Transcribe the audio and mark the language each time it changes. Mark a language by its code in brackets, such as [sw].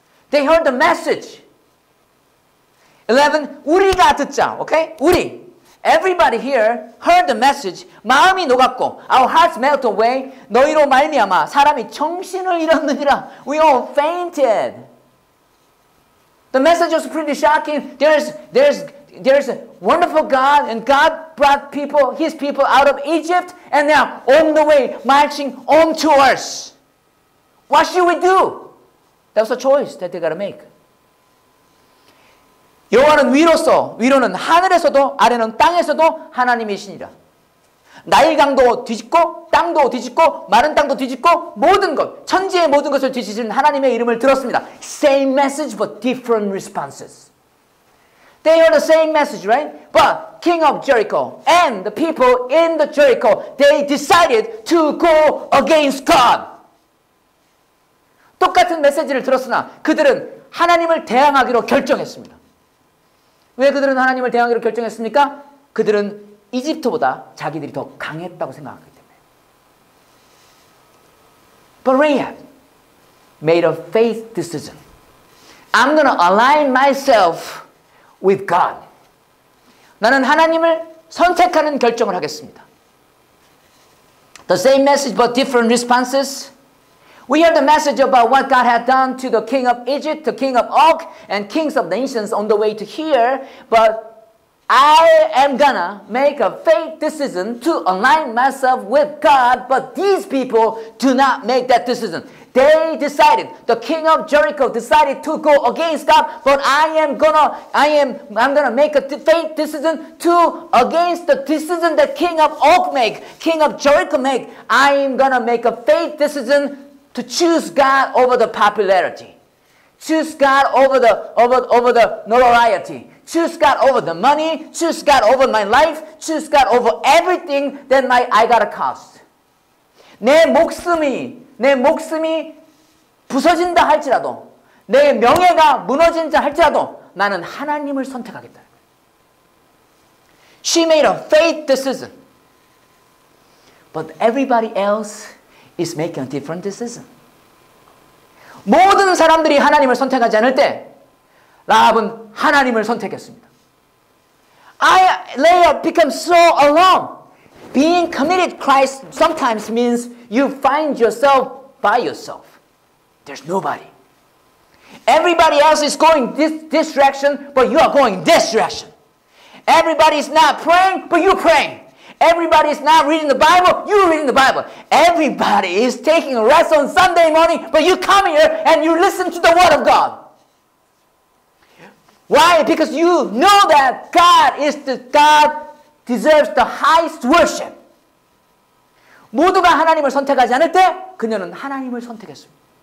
[en] They heard the message. 11. [ko] 우리가 듣자. [en] Okay? 우리. Everybody here heard the message. [ko] 마음이 녹았고 [en] our hearts melt away. [ko] 너희로 말미암아 사람이 정신을 잃었느니라. [en] We all fainted. The message was pretty shocking. There's a wonderful God, and God brought people, His people out of Egypt, and they are on the way, marching on to us. What should we do? That was a choice that they got to make. [ko] 여호와는 위로서, 위로는 하늘에서도, 아래는 땅에서도 하나님이시니라. 나일강도 뒤집고, 땅도 뒤집고, 마른 땅도 뒤집고, 모든 것, 천지의 모든 것을 뒤집은 하나님의 이름을 들었습니다. [en] Same message, but different responses. They heard the same message, right? But King of Jericho and the people in the Jericho, they decided to go against God. [ko] 똑같은 메시지를 들었으나 그들은 하나님을 대항하기로 결정했습니다. 왜 그들은 하나님을 대항하기로 결정했습니까? 그들은 이집트보다 자기들이 더 강했다고 생각하기 때문에. [en] But Rahab made a faith decision. I'm going to align myself with God. [ko] 나는 하나님을 선택하는 결정을 하겠습니다. [en] The same message but different responses. We heard the message about what God had done to the king of Egypt, the king of Og, and kings of nations on the way to here. But I am gonna make a faith decision to align myself with God. But these people do not make that decision. They decided, the king of Jericho decided to go against God, but I'm gonna make a faith decision to against the decision that king of Og make, king of Jericho make. I'm gonna make a faith decision to choose God over the popularity. Choose God over the notoriety. Choose God over the money. Choose God over my life. Choose God over everything that I gotta cost. [ko] 내 목숨이 부서진다 할지라도, 내 명예가 무너진다 할지라도, 나는 하나님을 선택하겠다. [en] She made a faith decision. But everybody else is making a different decision. [ko] 모든 사람들이 하나님을 선택하지 않을 때, 라합은 하나님을 선택했습니다. [en] Rahab became so alone. Being committed to Christ sometimes means you find yourself by yourself. There's nobody. Everybody else is going this direction, but you are going this direction. Everybody is not praying, but you're praying. Everybody is not reading the Bible, you're reading the Bible. Everybody is taking a rest on Sunday morning, but you come here and you listen to the Word of God. Why? Because you know that God is the God deserves the highest worship. [ko] 모두가 하나님을 선택하지 않을 때 그녀는 하나님을 선택했습니다.